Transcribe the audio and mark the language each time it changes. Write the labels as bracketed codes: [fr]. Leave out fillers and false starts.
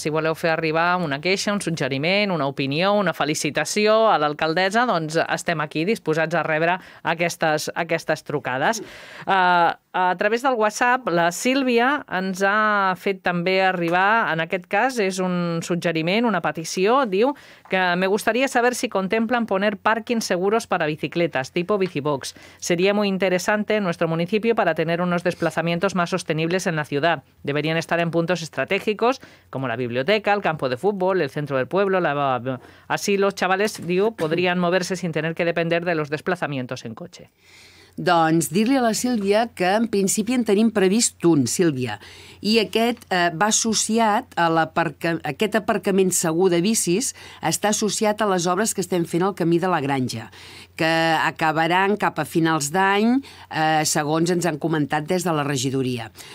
[ca] Si voleu fer arribar una queixa, un suggeriment, una opinió, una felicitació a l'alcaldessa, doncs estem aquí disposats a rebre aquestes trucades. A través del WhatsApp, la Sílvia ens ha fet també arribar, en aquest cas és un suggeriment, una petició, diu que [es] me gustaría saber si contemplan poner parkings seguros para bicicletas, tipo bicibox. Sería muy interesante en nuestro municipio para tener unos desplazamientos más sostenibles en la ciudad. Deberían estar en puntos estratégicos, como la biblioteca, el campo de fútbol, el centro del pueblo, así los chavales, digo, podrían moverse sin tener que depender de los desplazamientos en coche. [ca] Doncs dir-li a la Sílvia que en principi en tenim previst un, Sílvia, i aquest va associat a aquest aparcament segur de bicis està associat a les obres que estem fent al camí de la Granja, que acabaran cap a finals d'any, segons ens han comentat des de la regidoria.